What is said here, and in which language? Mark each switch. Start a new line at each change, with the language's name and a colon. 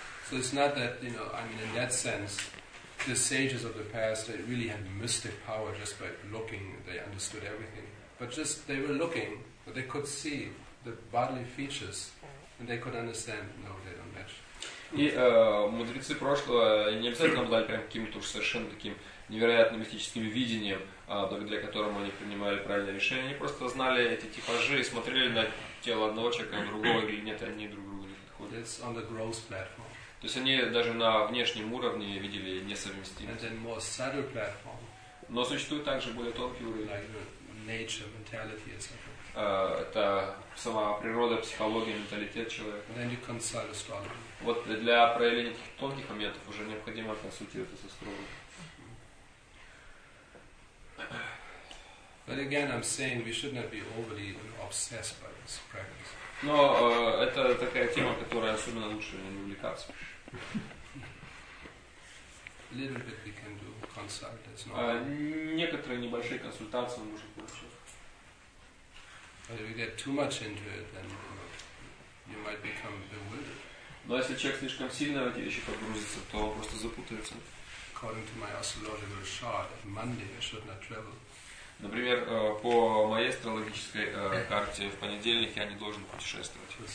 English: So it's not that, you know, I mean, in that sense, the sages of the past, they really had mystic power just by looking, they understood everything. But just they were looking, but they could see the bodily features, and they could understand. No, they don't match.
Russian: И мудрецы прошлого не обязательно обладали прям каким-то уж совершенно таким невероятным мистическим видением, благодаря которому они принимали правильное решение. Они просто знали эти типажи и смотрели на тело одного человека, на другого, или нет, они друг другу не подходят.
English: It's on the gross platform.
Russian: То есть они даже на внешнем уровне видели несовместимость.
English: And then more subtle platform.
Russian: Но существует также более тонкий уровень.
English: Like nature, mentality, etc.
Russian: Это сама природа, психология, менталитет человека.
English: And then you consult astrology.
Russian: Вот для проявления таких тонких моментов уже необходимо консультироваться с астрологом.
English: But again, I'm saying we should not be overly obsessed by this practice.
Russian: Но это такая тема, которая особенно лучше не увлекаться.
English: Little bit we can do consult. That's not.
Russian: Некоторые небольшие консультации мы можем получить.
English: But if you get too much into it, then you might become bewildered.
Russian: Но если человек слишком сильно в эти вещи погрузится, то он просто запутается.
English: According to my astrological chart, on Monday I should not travel.
Russian: Например, по моей астрологической карте в понедельник я не должен путешествовать.